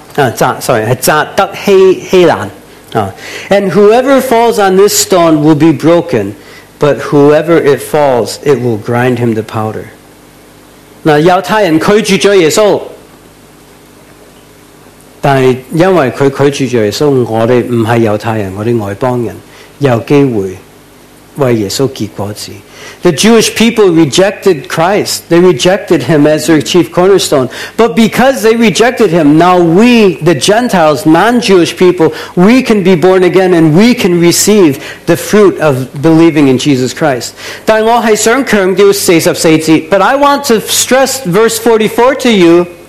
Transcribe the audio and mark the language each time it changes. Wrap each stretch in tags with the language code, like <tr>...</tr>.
<en>And whoever falls on this stone will be broken, but whoever it falls, it will grind him to powder.</en> <yue>那犹太人拒绝了耶稣，但系因为佢拒绝了耶稣，我哋唔系犹太人，我哋外邦人有机会为耶稣结果子。</yue> <en>The Jewish people rejected Christ. They rejected him as their chief cornerstone. But because they rejected him, now we, the Gentiles, non-Jewish people, we can be born again and we can receive the fruit of believing in Jesus Christ. But I want to stress verse 44 to you.</en>